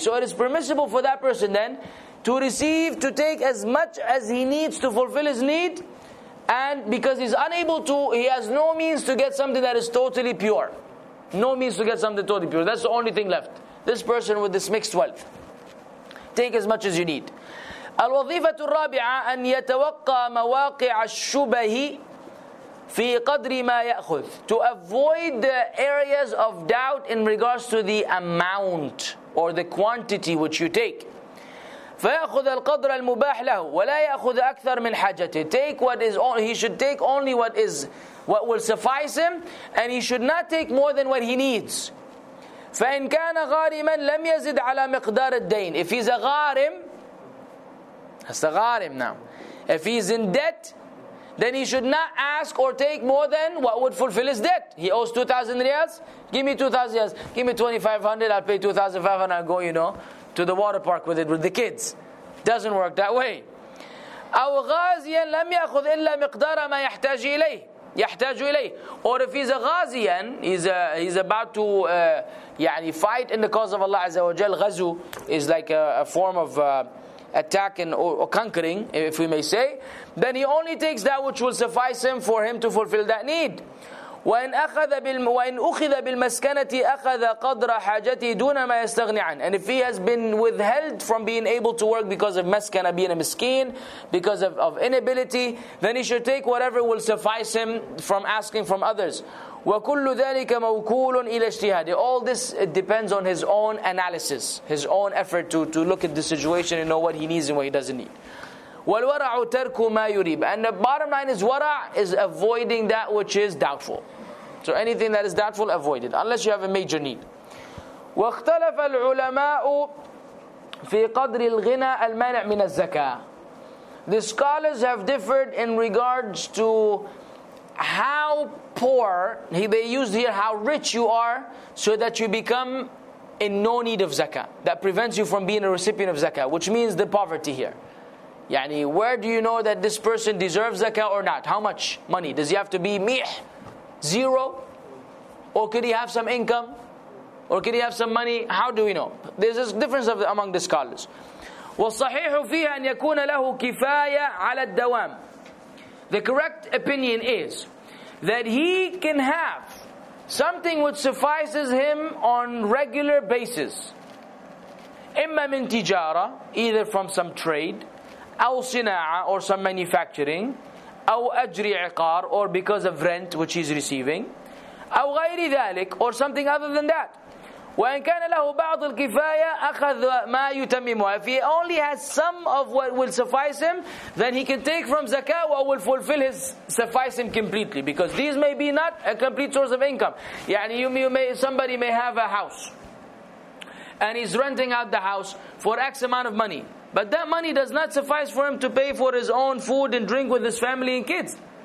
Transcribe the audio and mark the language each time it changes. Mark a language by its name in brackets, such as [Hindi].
[English] So it is permissible for that person then to receive, to take as much as he needs to fulfill his need, and because he's unable to, he has no means to get something that is totally pure. No means to get something totally pure. That's the only thing left. This person with this mixed wealth. Take as much as you need. [Arabic] الوظيفة الرابعة أن يتوقع مواقع الشبه في قدر ما يأخذ. [English] To avoid the areas of doubt in regards to the amount or the quantity which you take. [Arabic] فيأخذ القدر المباح له ولا يأخذ أكثر من حاجته. [English] Take what is on, he should take only what is what will suffice him, and he should not take more than what he needs. [Arabic] فإن كان غارما لم يزد على مقدار الدين. [English] If he's a غارم, that's a غارم now. If he's in debt, then he should not ask or take more than what would fulfill his debt. He owes 2,000 riyals. Give me 2,000 riyals. Give me 2,500. I'll pay 2,500. I'll go, you know, to the water park with it, with the kids. Doesn't work that way. [Arabic] أو غازيا لم يأخذ إلا مقدار ما يحتاج إليه. يحتاج إليه. [English] Or if he's a غازيان, he's about to يعني fight in the cause of Allah عز وجل. غزو is like a form of attack and or conquering, if we may say. Then he only takes that which will suffice him for him to fulfill that need. [Arabic] وإن أخذ بالمسكنة أخذ قدر حاجته دون ما يستغني عن. [English] And if he has been withheld from being able to work because of مسكنة, being a miskeen, because of inability, then he should take whatever will suffice him from asking from others. [Arabic] وكل ذلك موكول إلى اجتهاده. [English] All this, it depends on his own analysis, his own effort to look at the situation and know what he needs and what he doesn't need. [Arabic] والورع ترك ما يريب. [English] And the bottom line is, ورع is avoiding that which is doubtful. So anything that is doubtful, avoid it, unless you have a major need. [Arabic] واختلف العلماء في قدر الغنى المانع من الزكاة. [English] The scholars have differed in regards to how poor, they use here how rich you are, so that you become in no need of zakah, that prevents you from being a recipient of zakah, which means the poverty here. Yani, where do you know that this person deserves zakah or not? How much money? Does he have to be meh, zero? Or could he have some income? Or could he have some money? How do we know? There's a difference among the scholars. [Arabic] وَالصَّحِيحُ فِيهَا أَنْ يَكُونَ لَهُ كِفَايَةً عَلَى الدَّوَامِ. [English] The correct opinion is that he can have something which suffices him on regular basis. [Arabic] إِمَّا مِنْ تِجَارَةً, [English] either from some trade, [Arabic] أو صناعة, [English] or some manufacturing, [Arabic] أو أجر عقار, [English] or because of rent which he's receiving, [Arabic] أو غير ذلك, [English] or something other than that. [Arabic] وإن كان له بعض الكفاية أخذ ما يتممه. [English] If he only has some of what will suffice him, then he can take from zakah what will fulfill his suffice him completely, because these may be not a complete source of income. يعني somebody may have a house and he's renting out the house for X amount of money, but that money does not suffice for him to pay for his own food and drink with his family and kids.